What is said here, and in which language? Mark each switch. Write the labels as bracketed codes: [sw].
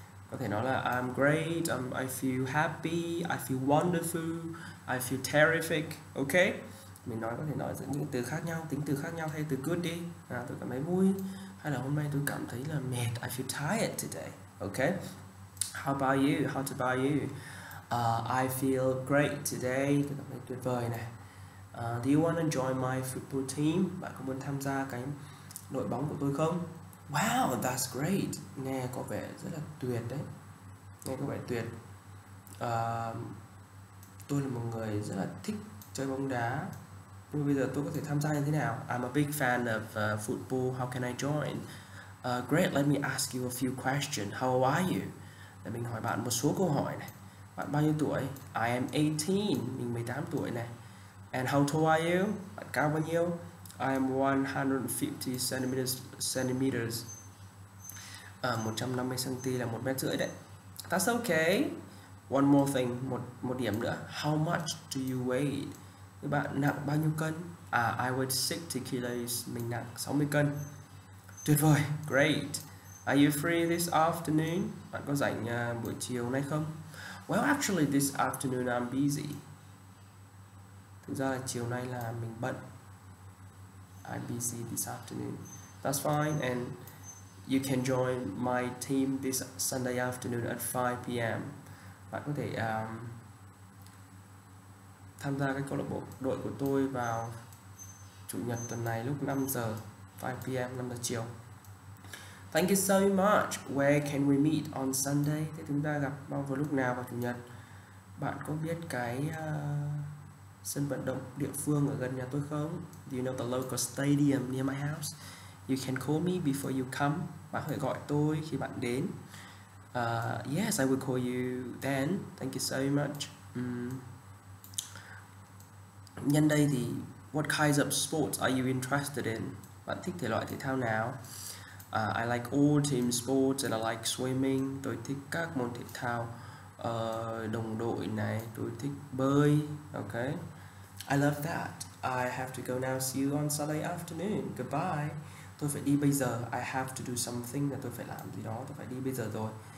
[vi] Có thể nói là [en] I'm great, I feel happy, I feel wonderful, I feel terrific. Ok. [vi] Mình nói có thể nói những từ khác nhau, tính từ khác nhau thay từ good đi. Tôi cảm thấy vui. Hay là hôm nay tôi cảm thấy là mệt, [en] I feel tired today. Ok. How about you? How about you? I feel great today. [vi] Tôi cảm thấy tuyệt vời này. [en] Do you want to join my football team? [vi] Bạn có muốn tham gia cái đội bóng của tôi không? [en] Wow, that's great. [vi] Nghe có vẻ rất là tuyệt đấy. Nghe có vẻ tuyệt. Tôi là một người rất là thích chơi bóng đá. Nhưng bây giờ tôi có thể tham gia như thế nào? [en] I'm a big fan of football. How can I join? Great, let me ask you a few questions. How old are you? [vi] Để mình hỏi bạn một số câu hỏi này. Bạn bao nhiêu tuổi? [en] I am 18. [vi] Mình 18 tuổi này. [en] And how tall are you? [vi] Bạn cao bao nhiêu? [en] I am 150 centimeters. [vi] 150 cm là 1.5 m đấy. [en] That's okay. One more thing. [vi] Một điểm nữa. [en] How much do you weigh? [vi] Bạn nặng bao nhiêu cân? [en] I weigh 60 kilos. [vi] Mình nặng 60 cân. Tuyệt vời. [en] Great. Are you free this afternoon? [vi] Bạn có rảnh buổi chiều nay không? [en] Well, actually, this afternoon I'm busy. [vi] Thực ra là chiều nay là mình bận. [en] I'm busy this afternoon. That's fine, and you can join my team this Sunday afternoon at 5 p.m. [vi] Bạn có thể tham gia cái câu lạc bộ đội của tôi vào chủ nhật tuần này lúc 5 giờ, 5 p.m. 5 giờ chiều. [en] Thank you so much. Where can we meet on Sunday? [vi] Thế chúng ta gặp bao giờ lúc nào vào chủ nhật? Bạn có biết cái sân vận động địa phương ở gần nhà tôi không? [en] Do you know the local stadium near my house? You can call me before you come. [vi] Bạn có thể gọi tôi khi bạn đến. [en] Yes, I will call you then. Thank you so much. [vi] Nhân đây thì [en] what kinds of sports are you interested in? [vi] Bạn thích thể loại thể thao nào? [en] I like all team sports and I like swimming. [vi] Tôi thích các môn thể thao đồng đội này. Tôi thích bơi. Okay. [en] I love that. I have to go now. See you on Sunday afternoon. Goodbye. [vi] Tôi phải đi bây giờ. [en] I have to do something. [vi] Là tôi phải làm gì đó. Tôi phải đi bây giờ rồi.